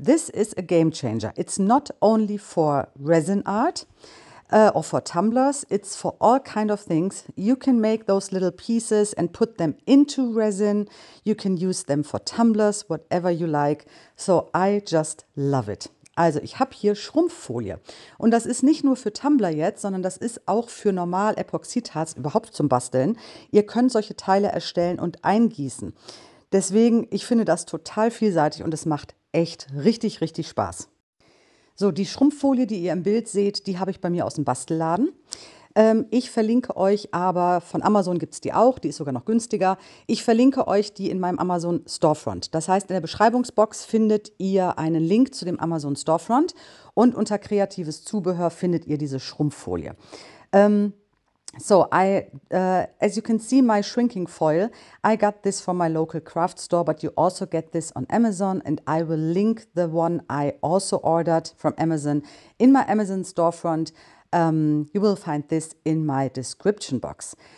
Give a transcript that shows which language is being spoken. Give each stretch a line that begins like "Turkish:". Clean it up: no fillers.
English: This is a game changer. It's not only for resin art or for tumblers. It's for all kind of things. You can make those little pieces and put them into resin. You can use them for tumblers, whatever you like. So I just love it.
German: Also ich habe hier Schrumpffolie. Und das ist nicht nur für Tumbler jetzt, sondern das ist auch für normal Epoxidharz überhaupt zum Basteln. Ihr könnt solche Teile erstellen und eingießen. Deswegen, ich finde das total vielseitig und es macht echt richtig, richtig Spaß. So, die Schrumpffolie, die ihr im Bild seht, die habe ich bei mir aus dem Bastelladen. Ich verlinke euch aber, von Amazon gibt es die auch, die ist sogar noch günstiger. Ich verlinke euch die in meinem Amazon Storefront. Das heißt, in der Beschreibungsbox findet ihr einen Link zu dem Amazon Storefront und unter kreatives Zubehör findet ihr diese Schrumpffolie.
English: As you can see, my shrinking foil, I got this from my local craft store, but you also get this on Amazon and I will link the one I also ordered from Amazon in my Amazon storefront. You will find this in my description box.